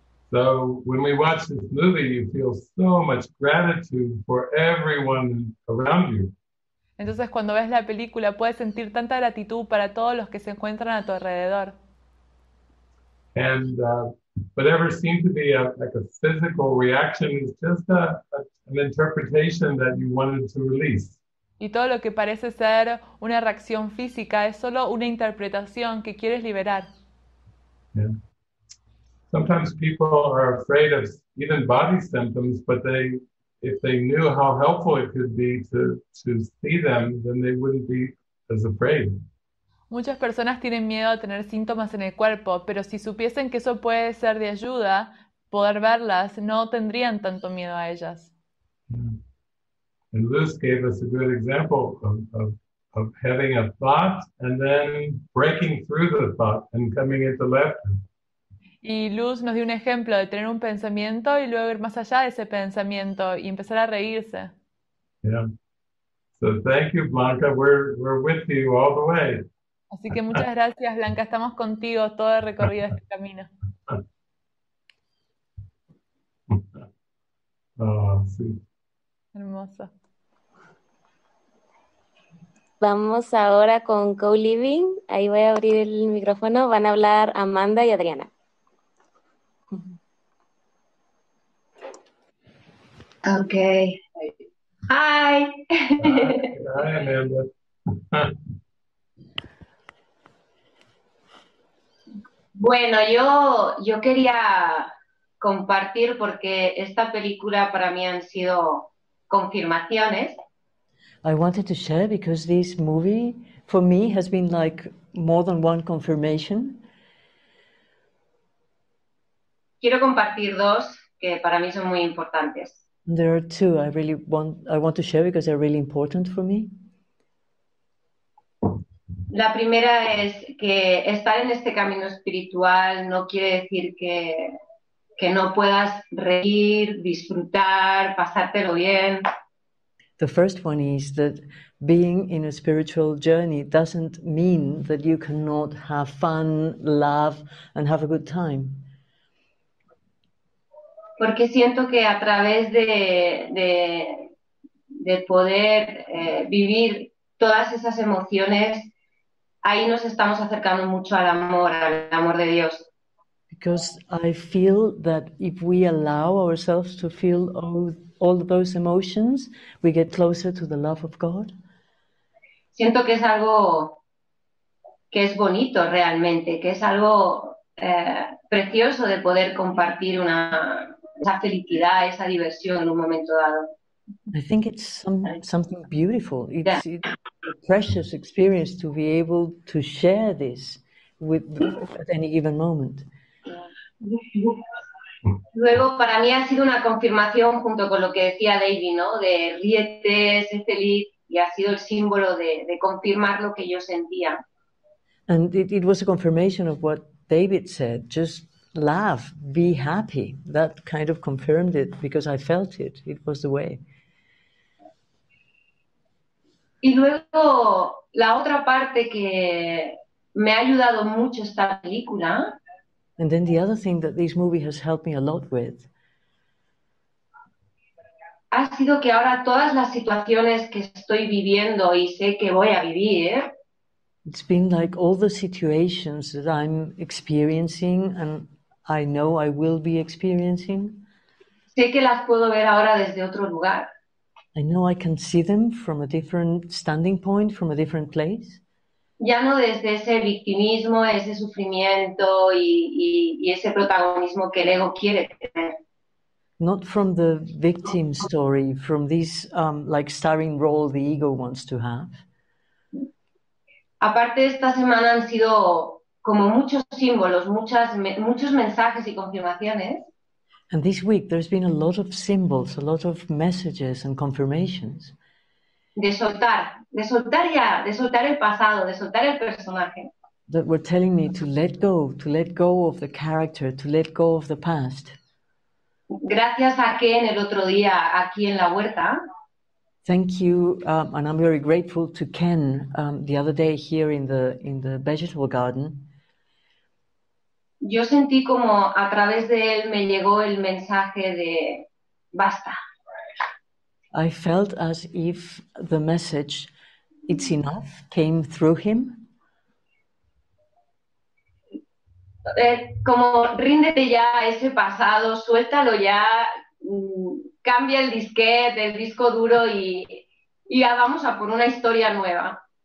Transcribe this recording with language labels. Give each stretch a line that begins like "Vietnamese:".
English: So when we watch this movie, you feel so much gratitude for everyone around you.
Spanish: Entonces, cuando ves la película, puedes sentir tanta gratitud para todos los que se encuentran a tu alrededor.
English: And whatever seemed to be a physical reaction is just an interpretation that you wanted to release.
Spanish: Y todo lo que parece ser una reacción física es solo una interpretación que quieres liberar.
English: Yeah. Sometimes people are afraid of even body symptoms, but if they knew how helpful it could be to see them, then they wouldn't be as afraid.
Spanish: Muchas personas tienen miedo a tener síntomas en el cuerpo, pero si supiesen que eso puede ser de ayuda, poder verlas, no tendrían tanto miedo a ellas.
English: Yeah. And Luz gave us a good example of having a thought and then breaking through the thought and coming into laughter.
Spanish: Y Luz nos dio un ejemplo de tener un pensamiento y luego ir más allá de ese pensamiento y empezar a reírse.
English: Yeah. So thank you, Blanca. We're with you all the way.
Spanish: Así que muchas gracias, Blanca. Estamos contigo todo el recorrido de este camino. Ah, sí. Hermoso. Vamos ahora con Co-Living. Ahí voy a abrir el micrófono. Van a hablar Amanda y Adriana.
English: Okay. Hi. Hi, Amanda.
Spanish: Bueno, yo quería compartir porque esta película para mí han sido confirmaciones.
English: I wanted to share because this movie for me has been like more than one confirmation.
Spanish: Quiero compartir dos que para mí son muy importantes.
English: There are two I want to share because they're really important for me.
Spanish: La primera es que estar en este camino espiritual no quiere decir que no puedas reír, disfrutar, pasártelo bien.
English: The first one is that being in a spiritual journey doesn't mean that you cannot have fun, laugh, and have a good time.
Spanish: Porque siento que a través de poder vivir todas esas emociones, ahí nos estamos acercando mucho al amor de Dios.
English: Because I feel that if we allow ourselves to feel all those emotions, we get closer to the love of God.
Spanish: Siento que es algo que es bonito realmente, que es algo precioso de poder compartir esa felicidad, esa diversión en un momento dado.
English: I think it's something beautiful. It's a precious experience to be able to share this with at any given moment.
Spanish: Luego, para mí ha sido una confirmación junto con lo que decía David, ¿no? De ríete, sé feliz, y ha sido el símbolo de confirmar lo que yo sentía.
English: And it was a confirmation of what David said, just laugh, be happy. That kind of confirmed it because I felt it. It was the way.
Spanish: Y luego la otra parte que me ha ayudado mucho esta película.
English: And then the other thing that this movie has helped me a lot with.
Spanish: Ha sido que ahora todas las situaciones que estoy viviendo y sé que voy a vivir.
English: It's been like all the situations that I'm experiencing and I know I will be experiencing.
Spanish: Sé que las puedo ver ahora desde otro lugar.
English: I know I can see them from a different standing point, from a different place.
Spanish: Ya no desde ese victimismo, ese sufrimiento y ese protagonismo que el ego quiere tener.
English: Not from the victim story, from this like starring role the ego wants to have.
Spanish: Aparte, esta semana han sido como muchos símbolos, muchos mensajes y confirmaciones.
English: And this week there's been a lot of symbols, a lot of messages and confirmations.
Spanish: De soltar el pasado, de soltar el personaje.
English: That were telling me to let go of the character, to let go of the past.
Spanish: Gracias a que en el otro día aquí en la huerta.
English: Thank you, and I'm very grateful to Ken the other day here in the vegetable garden.
Spanish: Yo sentí como a través de él me llegó el mensaje de basta.
English: I felt as if the message, it's enough, came through him.
Spanish: Como ríndete ya a ese pasado, suéltalo ya. Cambia el disquete, el disco duro y ya vamos a por una historia nueva.